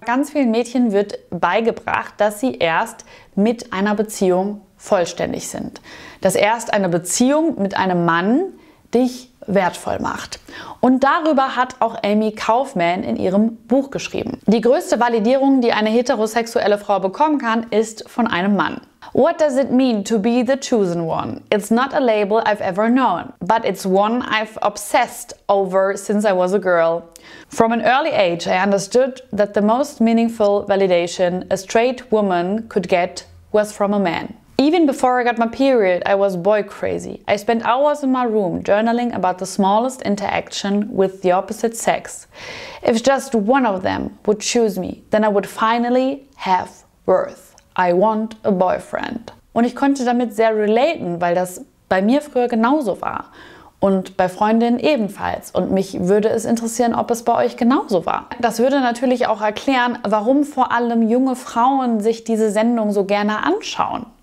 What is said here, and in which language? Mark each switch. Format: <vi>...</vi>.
<de>Ganz vielen Mädchen wird beigebracht, dass sie erst mit einer Beziehung vollständig sind. Dass erst eine Beziehung mit einem Mann dich wertvoll macht. Und darüber hat auch Amy Kaufman in ihrem Buch geschrieben. Die größte Validierung, die eine heterosexuelle Frau bekommen kann, ist von einem Mann.</de> <en>What does it mean to be the chosen one? It's not a label I've ever known, but it's one I've obsessed over since I was a girl. From an early age, I understood that the most meaningful validation a straight woman could get was from a man. Even before I got my period, I was boy crazy. I spent hours in my room journaling about the smallest interaction with the opposite sex. If just one of them would choose me, then I would finally have worth. I want a boyfriend.</en> <de>Und ich konnte damit sehr relaten, weil das bei mir früher genauso war. Und bei Freundinnen ebenfalls. Und mich würde es interessieren, ob es bei euch genauso war. Das würde natürlich auch erklären, warum vor allem junge Frauen sich diese Sendung so gerne anschauen.</de>